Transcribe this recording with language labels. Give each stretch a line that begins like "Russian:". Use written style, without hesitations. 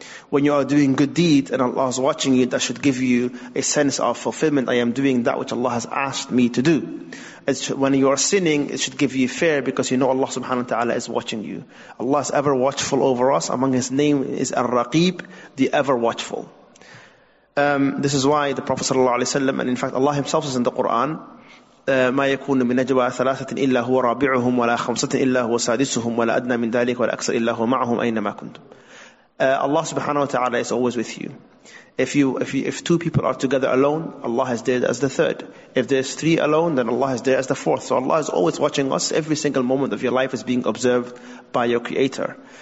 English: When you are doing good deeds and Allah is watching you, that should give you a sense of fulfillment. I am doing that which Allah has asked me to do. When you are sinning, it should give you fear because you know Allah subhanahu wa ta'ala is watching you. Allah is ever watchful over us. Among His name is Ar-Raqib, the ever watchful. This is why the Prophet sallallahu alaihi wasallam, and in fact Allah Himself says in the Quran,
Arabic: ما يكون من نجوى ثلاثة إلا هو رابعهم ولا خمسة إلا هو سادسهم ولا أدنى من ذلك ولا أكثر إلا هو معهم أينما كنتم.
English: Allah subhanahu wa ta'ala is always with you. If two people are together alone, Allah is there as the third. If there's three alone, then Allah is there as the fourth. So Allah is always watching us. Every single moment of your life is being observed by your Creator.